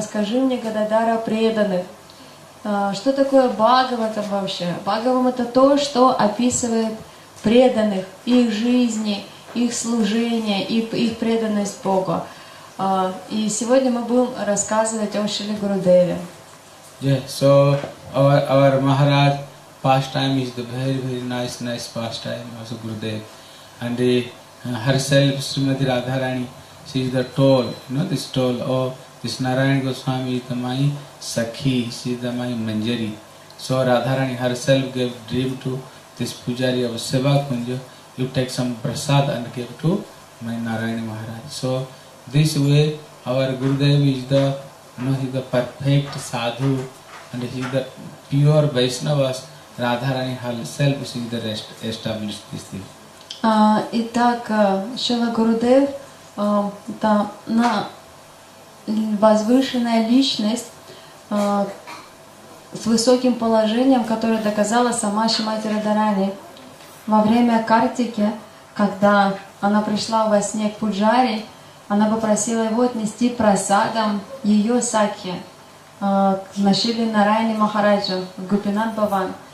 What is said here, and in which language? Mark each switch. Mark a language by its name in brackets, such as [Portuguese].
[Russian] Расскажи мне, Гададхар, о преданных. Что такое Бхагаватам вообще? Бхагаватам это то, что описывает преданных, их жизни, их служения, их преданность Богу. И сегодня мы будем рассказывать о Шриле Гурудеве. [English] Yeah, so our Maharaj pastime is the very, very nice pastime of Gurudev. And the, herself, Srimati Radharani, she is the toll, you know this toll, oh, this Narayana Goswami is my Sakhi, she is the my Manjari. So Radharani herself gave dream to this pujari of seva kunja, you take some prasad and give to my Narayana Maharaj. So this way our Gurudev is the, you know, he is the perfect sadhu and he is the pure Vaishnavas. Radharani herself is the rest established this thing. [Russian] Итак, Шрила Гурудев это на возвышенная личность с высоким положением, которое доказала сама Шримати Радхарани. Во время Картики, когда она пришла во сне к Пуджари, она попросила его отнести прасадам ее сакхи на Шриле Нараяне Махараджа в Гопинат Бхаван.